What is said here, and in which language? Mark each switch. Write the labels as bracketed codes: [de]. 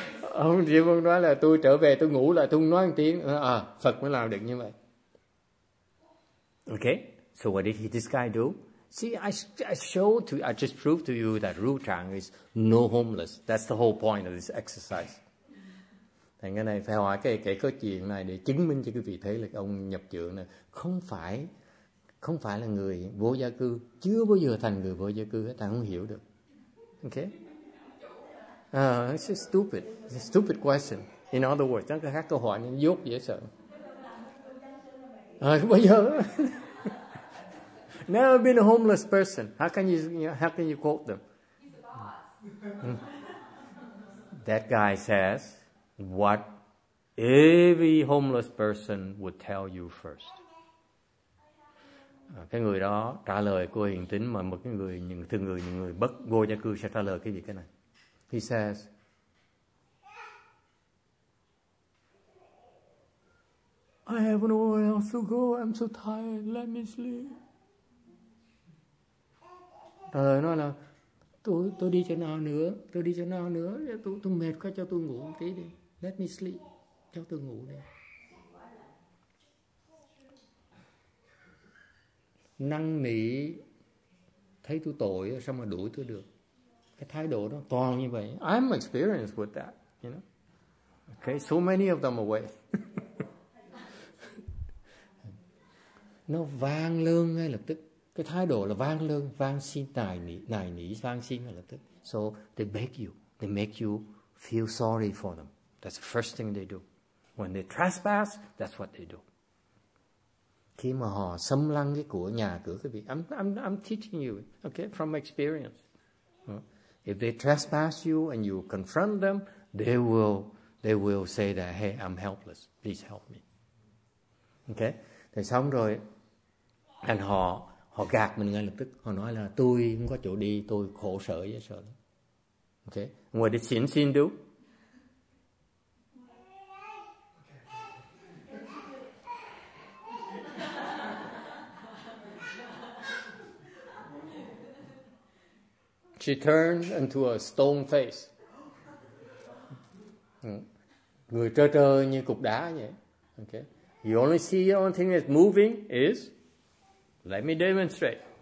[vi] Ông Diệu Vương nói là tôi trở về tôi ngủ lại tôi nói một tiếng. Phật mới làm được như vậy. [en] Okay. So what did this guy do? See, I just proved to you that Ru Chang is no homeless. That's the whole point of this exercise. [vi] Thành cái này phải hỏi cái câu chuyện này để chứng minh cho quý vị thấy là ông nhập trưởng này không phải là người vô gia cư, chưa bao giờ thành người vô gia cư, ta không hiểu được. Okay? [en] It's just stupid. It's a stupid question. In other words, [vi] chẳng có khác câu hỏi, nhưng dốt dễ sợ. Bây giờ, [en] never been a homeless person. How can you quote them? He's a boss. That guy says what every homeless person would tell you first. [vi] Cái người đó trả lời cô hiền tính mà một cái người những người bất vô gia cư sẽ trả lời cái gì cái này. [en] He says, I have nowhere else to go. I'm so tired. Let me sleep. [vi] Trả lời nói là tôi đi chỗ nào nữa, tôi đi chỗ nào nữa, tôi mệt quá, cho tôi ngủ một tí đi. [en] Let me sleep. [vi] Cho tôi ngủ đi. Năng nỉ thấy tôi tội sao mà đuổi tôi được. Cái thái độ đó toàn như vậy. [en] I'm experienced with that, you know. Okay, so many of them away. [vi] Nó vang lương ngay lập tức. Cái thái độ là vang lương, vang xin nài nỉ, vang xin ngay lập tức. [en] So they beg you, they make you feel sorry for them. That's the first thing they do. When they trespass, that's what they do. [vi] Khi mà họ xâm lăng cái của nhà cửa quý vị, [en] I'm teaching you, okay, from experience. If they trespass you and you confront them, they will say that, hey, I'm helpless, please help me. Okay, [vi] thì xong rồi, and họ gạt mình ngay lập tức, họ nói là tôi không có chỗ đi, tôi khổ sở với sợ. [en] Okay, what did Xin do? She turned into a stone face. [vi] Người trơ trơ như cục đá vậy. [en] Okay. You only see the only thing that's moving is, let me demonstrate.